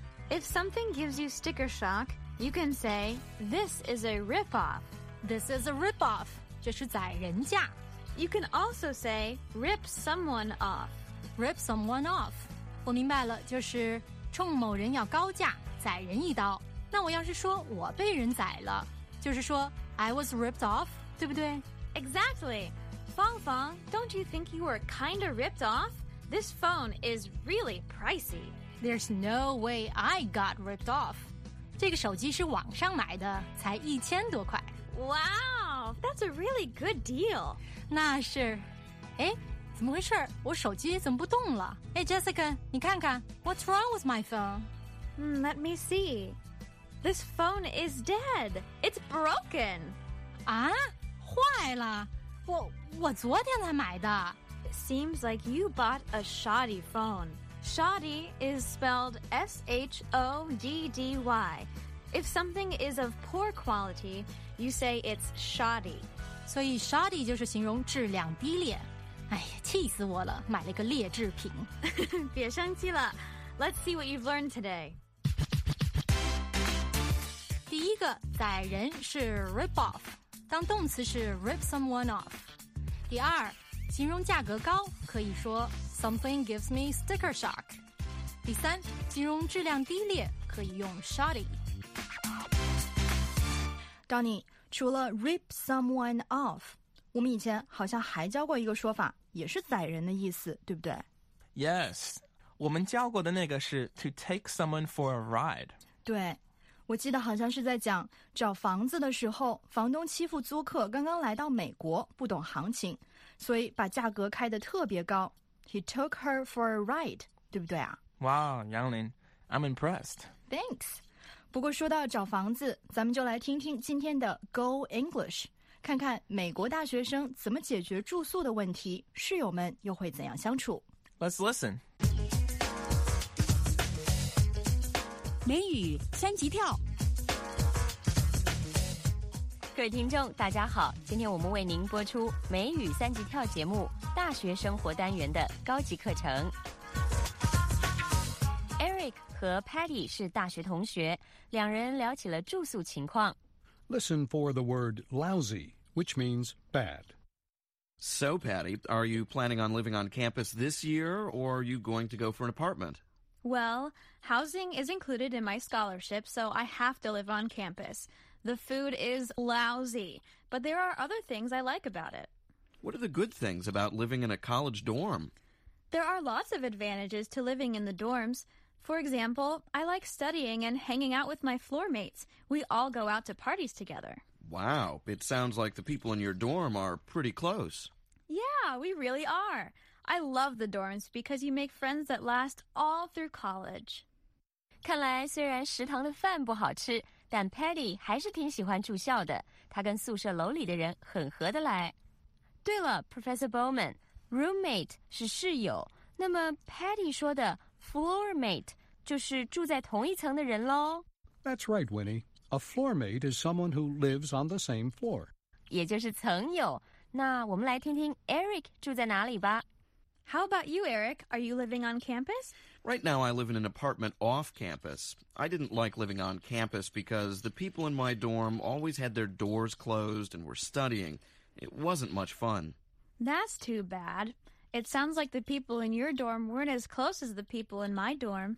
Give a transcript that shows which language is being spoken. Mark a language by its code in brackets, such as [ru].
[en] If something gives you sticker shock, you can say, This is a rip-off. This is a rip-off. [zh] 这是宰人价。 [en] You can also say, Rip someone off. Rip someone off. [zh] 我明白了，就是冲某人要高价，宰人一刀。那我要是说我被人宰了，就是说 [en] I was ripped off, [zh] 对不对？ [en] Exactly. Fang Fang, don't you think you were kind of ripped off? This phone is really pricey. There's no way I got ripped off. [zh] 这个手机是网上买的，才一千多块。 [en] Wow, that's a really good deal. [zh] 那是。哎，怎么回事？我手机怎么不动了？ [en] 哎 ，Jessica， [zh] 你看看 [en] ，What's wrong with my phone? Let me see. This phone is dead. It's broken. [zh] 啊，坏了。我昨天才买的。 [en] Seems like you bought a shoddy phone. Shoddy is spelled S-H-O-D-D-Y. If something is of poor quality, you say it's shoddy. [zh] 所以 shoddy 就是形容质量低劣。哎呀，气死我了，买了个劣质品。别生气了。 [en] Let's see what you've learned today. [zh] 第一个，宰人是 rip off， 当动词是 [en] rip someone off。 [zh] 第二，形容价格高可以说 [en] something gives me sticker shock。 [zh] 第三，形容质量低劣可以用 shoddy。 Donny， 除了 [en] rip someone off， [zh] 我们以前好像还教过一个说法，也是宰人的意思，对不对？ [en] Yes， [zh] 我们教过的那个是 [en] to take someone for a ride。 [zh] 对，我记得好像是在讲找房子的时候，房东欺负租客刚刚来到美国，不懂行情，所以把价格开得特别高。 [en] He took her for a ride, [zh] 对不对啊？ [en] Wow, Yanglin, I'm impressed. Thanks. [zh] 不过说到找房子，咱们就来听听今天的 Go English, 看看美国大学生怎么解决住宿的问题，室友们又会怎样相处。 [en] Let's listen. [zh] 美语三级跳。各位听众大家好，今天我们为您播出美语三级跳节目大学生活单元的高级课程。 Eric 和 Patty 是大学同学，两人聊起了住宿情况。 [en] Listen for the word lousy, which means bad. So Patty, are you planning on living on campus this year, or are you going to go for an apartment? Well, housing is included in my scholarship, so I have to live on campus. The food is lousy, but there are other things I like about it. What are the good things about living in a college dorm? There are lots of advantages to living in the dorms. For example, I like studying and hanging out with my floor mates. We all go out to parties together. Wow, it sounds like the people in your dorm are pretty close. Yeah, we really are. I love the dorms because you make friends that last all through college. [zh] 看来虽然食堂的饭不好吃，但 Patty 还是挺喜欢住校的，他跟宿舍楼里的人很合得来。对了 ，Professor Bowman， roommate 是室友，那么 Patty 说的 floor mate 就是住在同一层的人喽。 [en] That's right, Winnie. A floor mate is someone who lives on the same floor. [zh] 也就是层友。那我们来听听 Eric 住在哪里吧。 [en] How about you, Eric? Are you living on campus? Right now, I live in an apartment off campus. I didn't like living on campus because the people in my dorm always had their doors closed and were studying. It wasn't much fun. That's too bad. It sounds like the people in your dorm weren't as close as the people in my dorm.